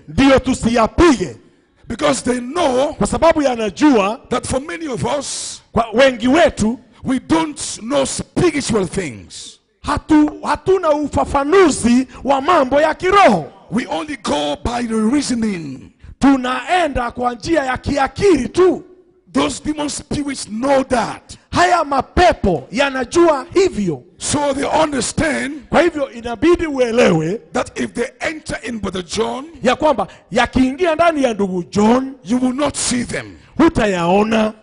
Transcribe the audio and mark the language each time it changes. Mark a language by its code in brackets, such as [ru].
[sw] Ndio tusiyapige. [en] Because they know. [sw] Kwa sababu yanajua. [en] That for many of us. [sw] Kwa wengi wetu. [en] We don't know spiritual things. [sw] Hatuna ufafanuzi wa mambo ya kiroho. [en] We only go by the reasoning. [sw] Tunaenda kwa njia ya kiakili tu. [en] Those demon spirits know that. [sw] Haya mapepo yanajua hivyo. [en] So they understand. [sw] Kwa hivyo inabidi uelewe. [en] That if they enter in Brother John. [sw] Ya kwamba yakiingia ndani ya ndugu John. [en] You will not see them. [sw] Hutayaona.